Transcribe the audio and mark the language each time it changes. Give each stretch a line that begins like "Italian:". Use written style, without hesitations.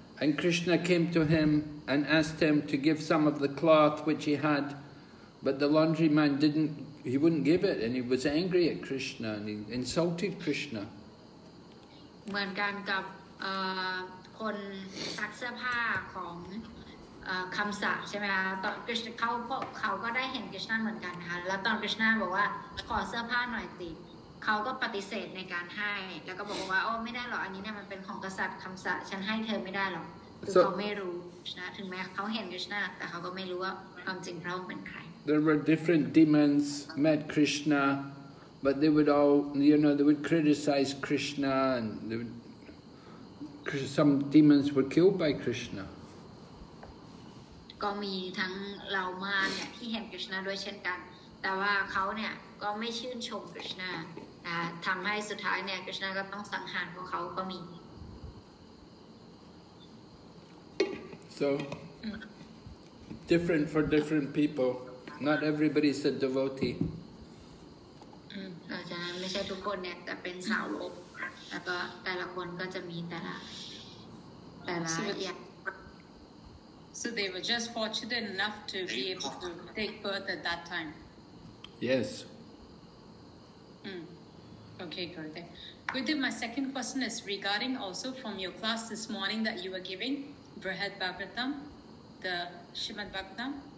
English: And Krishna came to him and asked him to give some of the cloth which he had. But the laundryman didn't he wouldn't give it, and he was angry at Krishna, and he insulted Krishna.
Thai: เหมือนกันกับคนซักเสื้อผ้าของคำสาใช่ไหมคะตอนคริสต์เขาก็ได้เห็นคริสต์นั่นเหมือนกันนะคะแล้วตอนคริสต์นั่นบอกว่าขอเสื้อผ้าหน่อยติเขาก็ปฏิเสธในการให้แล้วก็บอกว่าโอ้ไม่ได้หรอกอันนี้เนี่ยมันเป็นของกษัตริย์คำสาฉันให้เธอไม่ได้หรอกคือเขาไม่รู้นะถึงแม้เขาเห็นคริสต์นั่นแต่เขาก็ไม่รู้ว่าความจริงเขาเป็นใคร
English: There were different demons met Krishna, but they would all, you know, they would criticize Krishna and they would, some demons were killed by Krishna.
Thai: ก็มีทั้งเรามาเนี่ยที่เห็นคริสต์ด้วยเช่นกันแต่ว่าเขาเนี่ยก็ไม่ชื่นชมคริสต์นะทำให้สุดท้ายเนี่ยคริสต์ก็ต้องสังหารพวกเขาก็มี
English: So, different for different people. Not everybody is a devotee.
Thai: ไม่ใช่ทุกคนเนี่ยแต่เป็นสาวโลกแล้วก็แต่ละคนก็จะมีแต่ละอย่าง
English: So they were just fortunate enough to be able to take birth at that time. Yes. Okay, Gurudev. Gurudev, my second question is regarding also from your class this morning that you were giving, Brihad Bhagavatam, the Shrimad Bhagavatam.